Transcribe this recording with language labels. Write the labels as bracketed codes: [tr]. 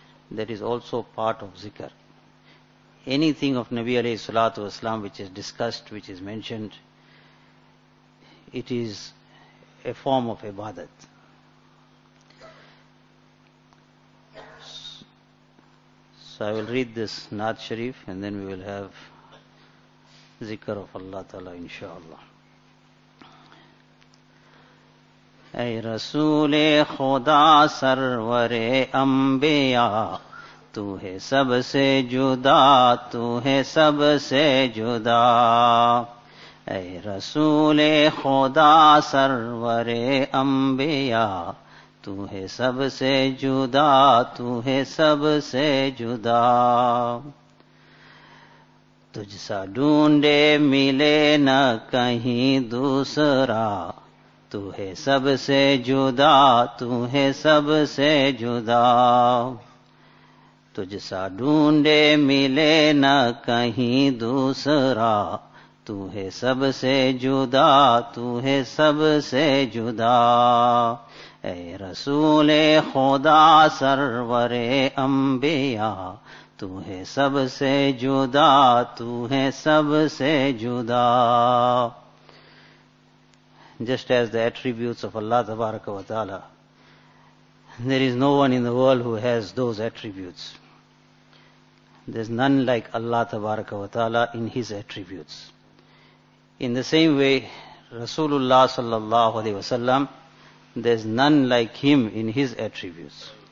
[en] That is also part of zikr. Anything of Nabi alayhi salatu wa sallam which is discussed, which is mentioned, it is a form of ibadat. So I will read this Naat Sharif and then we will have zikr of Allah ta'ala inshaAllah. [ur] اے رسول خدا سرور انبیاء, تو ہے سب سے جدا, تو ہے سب سے جدا. اے رسول خدا سرور انبیاء, تو ہے سب سے جدا, تو ہے سب سے جدا. تجھ سا ڈھونڈے ملے نہ کہیں دوسرا, تو ہے سب سے جدا, تو ہے سب سے جدا. تجھ سا ڈھونڈے ملے نہ کہیں دوسرا, تو ہے سب سے جدا, تو ہے سب سے جدا. اے رسول خدا سرور انبیاء, تو ہے سب سے جدا, تو ہے سب سے جدا. [en] Just as the attributes of Allah tabaraka wa ta'ala, there is no one in the world who has those attributes. There's none like Allah tabaraka wa ta'ala in his attributes. In the same way, Rasulullah sallallahu alayhi wa sallam, there's none like him in his attributes.